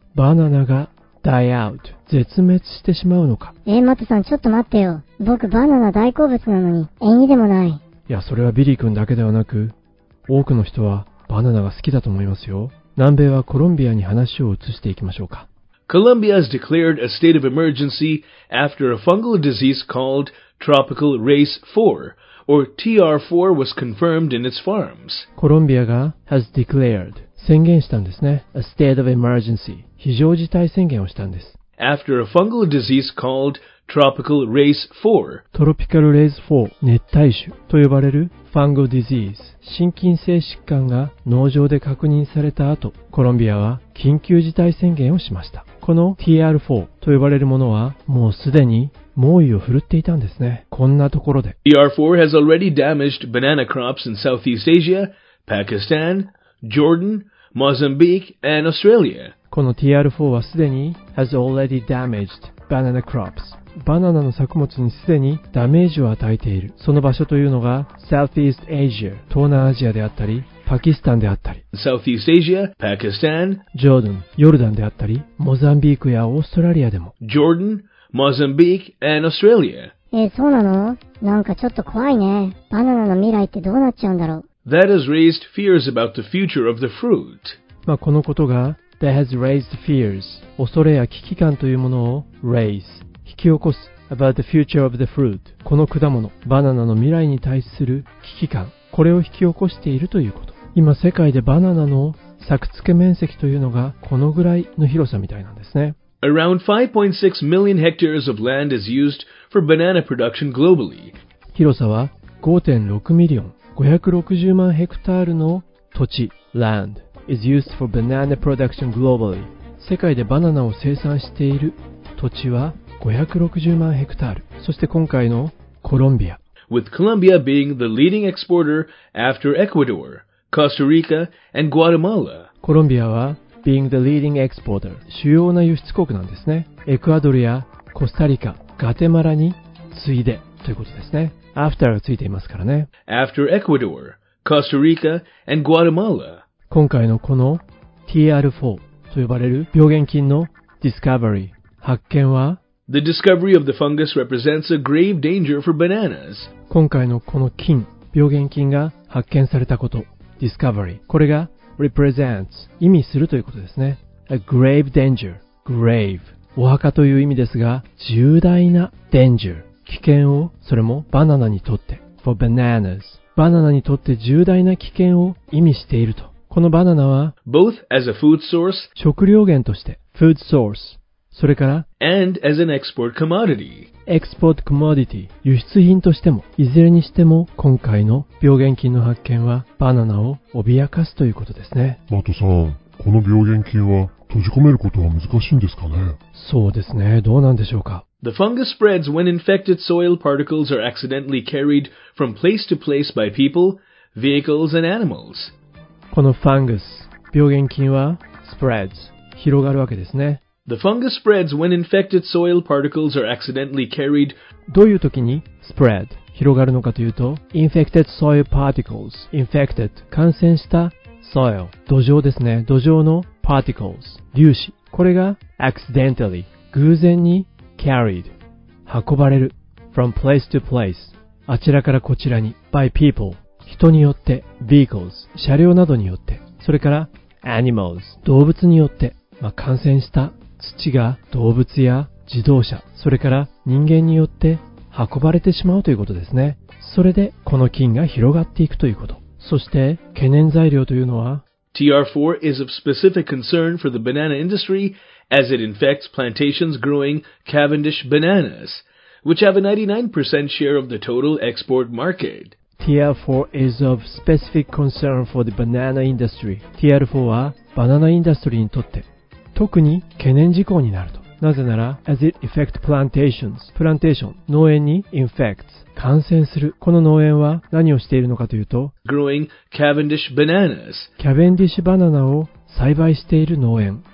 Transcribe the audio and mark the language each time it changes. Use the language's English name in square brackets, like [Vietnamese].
[Japanese] バナナが [English] die out、 [Japanese] 絶滅してしまうのか。マットさん、ちょっと待ってよ。僕バナナ大好物なのに、縁起でもない。いや、それはビリー君だけではなく、多くの人はバナナが好きだと思いますよ。南米はコロンビアに話を移していきましょうか。 [English] コロンビア has declared a state of emergency after a fungal disease called Tropical Race 4, or TR4 was confirmed in its farms. [Japanese] コロンビアが [English] has declared, [Japanese] 宣言したんですね。 [English] A state of emergency, [Japanese] 非常事態宣言をしたんです。 [English] After a fungal disease called Tropical Race 4, Tropical Race 4, [Japanese] 熱帯種と呼ばれる [English] Fungal Disease, [Japanese] 心筋性疾患が農場で確認された後、コロンビアは緊急事態宣言をしました。この TR4 と呼ばれるものはもうすでに猛威を振るっていたんですね。こんなところで。 [English] TR4 has already damaged banana crops in Southeast Asia, Pakistan, Jordan, Mozambique, and Australia. [Japanese] この [English] TR4 [Japanese] はすでに [English] has already damaged banana crops. [Japanese] バナナの作物にすでにダメージを与えている。その場所というのが [English] Southeast Asia、 [Japanese] 東南アジアであったり、パキスタンであったり、 [English] Southeast Asia, Pakistan, Jordan、 [Japanese] ヨルダンであったり、モザンビークやオーストラリアでも。 [English] Jordan,Mozambique and Australia. [Japanese] そうなの？なんかちょっと怖いね。バナナの未来ってどうなっちゃうんだろう？ [English] That has raised fears about the future of the fruit. [Japanese] まあこのことが [English] That has raised fears. [Japanese] 恐れや危機感というものを [English] raise [Japanese] 引き起こす [English] about the future of the fruit. [Japanese] この果物、バナナの未来に対する危機感、これを引き起こしているということ。今世界でバナナの作付け面積というのがこのぐらいの広さみたいなんですね。 [English] Around 5.6 million hectares of land is used for banana production globally. [Japanese] 広さは [English] 5.6 million [Japanese] 560万ヘクタールの土地 [English] land is used for banana production globally. [Japanese] 世界でバナナを生産している土地は560万ヘクタール。そして今回のコロンビア。 [English] With Colombia being the leading exporter after Ecuador, Costa Rica, and Guatemala. [Japanese] コロンビアは [English] Being the leading exporter, [Japanese] 主要な輸出国なんですね。エクアドルやコスタリカ、ガテマラに次いでということですね。 [English] After [Japanese] がついていますからね。 [English] After Ecuador, Costa Rica, and Guatemala. [Japanese] 今回のこの TR4 と呼ばれる病原菌の [English] discovery [Japanese] 発見は、 [English] The discovery of the fungus represents a grave danger for bananas. [Japanese] 今回のこの菌、病原菌が発見されたこと、 [English] discovery、 [Japanese] これが [English] represents [Japanese] 意味するということですね。 [English] A grave danger, grave [Japanese] お墓という意味ですが、重大な [English] danger [Japanese] 危険を、それもバナナにとって [English] for bananas [Japanese] バナナにとって重大な危険を意味していると。このバナナは [English] both as a food source [Japanese] 食料源として [English] food source [Japanese] それから [English] and as an export commodity export commodity [Japanese] 輸出品としても、いずれにしても今回の病原菌の発見はバナナを脅かすということですね。マトさん、この病原菌は閉じ込めることは難しいんですかね。そうですね、どうなんでしょうか。 [English] The fungus spreads when infected soil particles are accidentally carried from place to place by people, vehicles and animals. [Japanese] このファングス、病原菌は spreads 広がるわけですね。 [English] The fungus spreads when infected soil particles are accidentally carried. [Japanese] どういう時に [English] spread [Japanese] 広がるのかというと、 [English] infected soil particles infected [Japanese] 感染した [English] soil [Japanese] 土壌ですね。土壌の [English] particles [Japanese] 粒子、これが [English] accidentally [Japanese] 偶然に [English] carried [Japanese] 運ばれる [English] from place to place [Japanese] あちらからこちらに [English] by people [Japanese] 人によって [English] vehicles [Japanese] 車両などによって、それから [English] animals [Japanese] 動物によって、まあ感染した土が動物や自動車、それから人間によって運ばれてしまうということですね。それでこの菌が広がっていくということ。そして懸念材料というのは [English] TR4 is of specific concern for the banana industry as it infects plantations growing Cavendish bananas, which have a 99% share of the total export market. TR4 is of specific concern for the banana industry. [Japanese] TR4 はバナナインダストリーにとって特に懸念事項になると。なぜなら、 [English] as it affects plantations, [Japanese] プランテーション、農園に [English] infects, [Japanese] 感染する。この農園は何をしているのかというと、 [English] growing Cavendish bananas. [Japanese] キャベンディッシュバナナを栽培している農園。